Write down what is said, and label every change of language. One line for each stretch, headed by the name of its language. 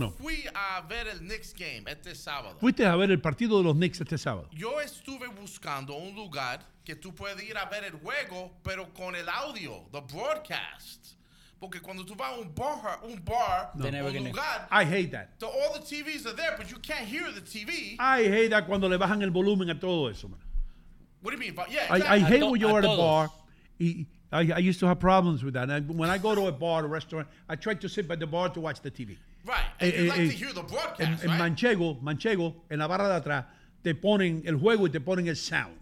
Spanish: no. Yo fui a ver el Knicks game este sábado. ¿Fuiste a ver el partido de los Knicks este sábado? Yo estuve buscando un lugar... que tú puedes ir a ver el juego, pero con el audio,
English: the broadcast.
Spanish: Porque cuando tú vas a un bar, un lugar...
English: I hate that. All the TVs are there, but you can't hear the TV. I hate that
Spanish: cuando le bajan el volumen a todo eso, man.
English: What do you mean? But yeah, exactly. I hate when you're at a bar. I used to have problems with that. And when I go to a bar, a restaurant, I try to sit by the bar to watch the TV. Right. And you like to hear the broadcast, right?
Spanish: En Manchego, en la barra de atrás, te ponen el juego y te ponen el sound.